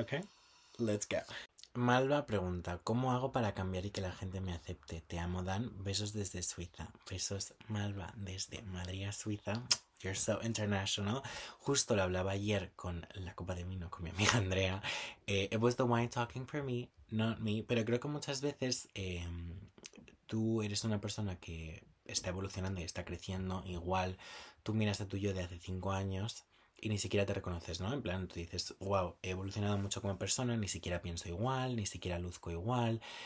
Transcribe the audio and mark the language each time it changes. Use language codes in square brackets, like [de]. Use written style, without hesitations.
[en] Ok, let's go. [es] Malva pregunta, ¿cómo hago para cambiar y que la gente me acepte? Te amo, Dan. Besos desde Suiza. Besos, Malva, desde Madrid a Suiza. [en] You're so international. [es] Justo lo hablaba ayer con la copa de vino con mi amiga Andrea. [en] It was the wine talking for me, not me. [es] Pero creo que muchas veces tú eres una persona que está evolucionando y está creciendo. Igual tú miras a tu yo de hace 5 años. Y ni siquiera te reconoces, ¿no? En plan, tú dices, wow, he evolucionado mucho como persona, ni siquiera pienso igual, ni siquiera luzco igual.